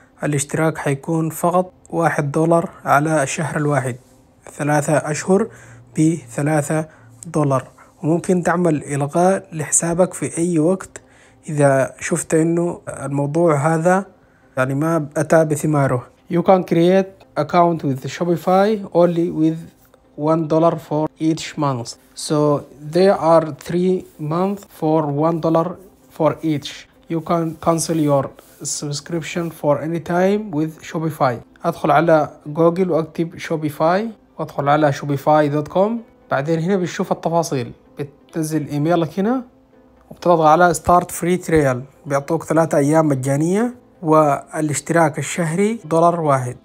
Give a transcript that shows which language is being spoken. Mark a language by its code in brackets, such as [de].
[ar] الاشتراك حيكون فقط $1 على الشهر الواحد، 3 أشهر ب$3، وممكن تعمل إلغاء لحسابك في أي وقت إذا شفت إنه الموضوع هذا يعني ما أتى بثماره. [en] You can create account with Shopify only with $1 for each month. So there are 3 months for $1 for each. You can cancel your subscription for any time with Shopify. [ar] أدخل على جوجل وأكتب Shopify وأدخل على shopify.com. بعدين هنا بتشوف التفاصيل، بتنزل إيميلك هنا وبتضغط على [en] start free trial. [ar] بيعطوك 3 أيام مجانية والاشتراك الشهري $1.